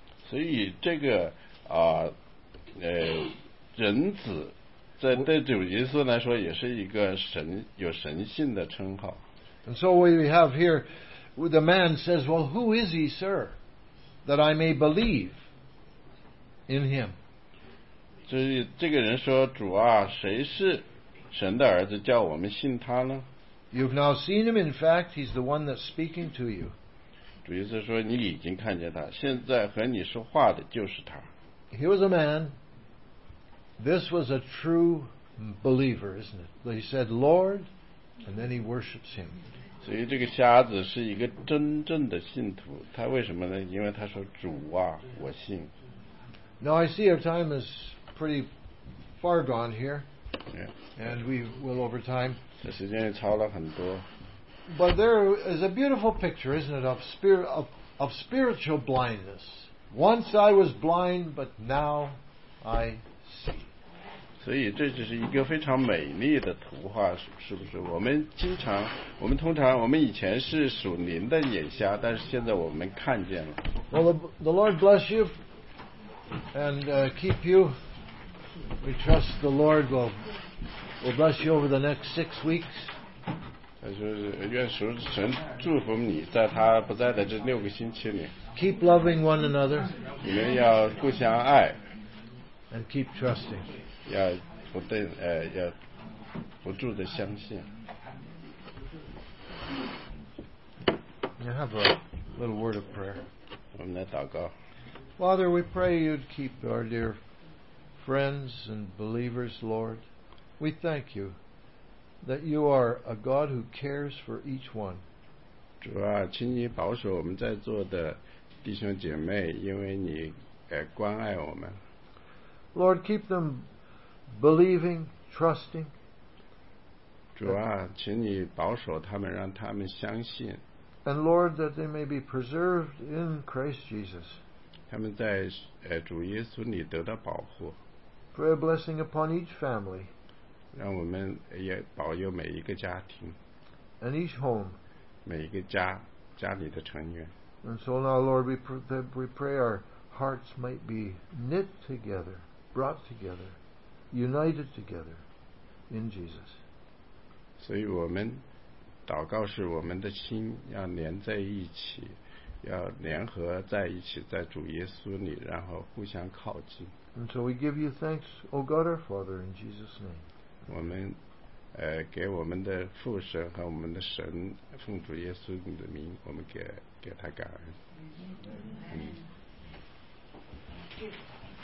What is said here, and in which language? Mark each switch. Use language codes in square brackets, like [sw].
[en] So, this [zh] 人子在对主耶稣来说也是一个神有神性的称号。 [en] And so what we have here, the man says, "Well, who is he, sir, that I may believe in him?" [zh] 这个人说，主啊，谁是神的儿子，叫我们信他呢 [en] ？You've now seen him. In fact, he's the one that's speaking to you. [zh] 主耶稣说，你已经看见他，现在和你说话的就是他。 [en] He was a man. This was a true believer, isn't it? He said, "Lord," and then he worships him. [zh] 所以这个瞎子是一个真正的信徒。他为什么呢？因为他说：“主啊，我信。” [en] Now I see our time is pretty far gone here. Yeah. And we will over time. [zh] 时间也超了很多。 [en] But there is a beautiful picture, isn't it, of spiritual blindness. Once I was blind, but now I see. [zh] 所以这就是一个非常美丽的图画，是不是？我们以前是属灵的眼瞎，但是现在我们看见了。 [en] Well, the Lord bless you and keep you. We trust the Lord will bless you over the next 6 weeks. [zh] 他说愿神祝福你在他不在的这六个星期里。 [en] Keep loving one another. [zh] 你们要互相爱。 [en] And keep trusting. [zh] 要不断要不住的相信。 [en] You have a little word of prayer. [zh] 我们来祷告。 [en] Father, we pray you'd keep our dear friends and believers, Lord. We thank you that you are a God who cares for each one. [zh] 主啊，请你保守我们在座的弟兄姐妹，因为你关爱我们。 [en] Lord, keep them believing, trusting. [zh] 主啊，请你保守他们，让他们相信。 [en] And Lord, that they may be preserved in Christ Jesus. [zh] 他们在主耶稣里得到保护。 [en] Pray a blessing upon each family. [zh] 让我们也保佑每一个家庭。 [en] And each home. [zh] 每一个家里的成员。 [en] And so now, Lord, we pray our hearts might be knit together, brought together, united together in Jesus. [zh] 所以我们祷告是我们的心要连在一起，要联合在一起，在主耶稣里，然后互相靠近。 [en] And so we give you thanks, O God our Father, in Jesus' name. [zh] 我们给我们的父神和我们的神，奉主耶稣你的名，我们给他感恩。嗯。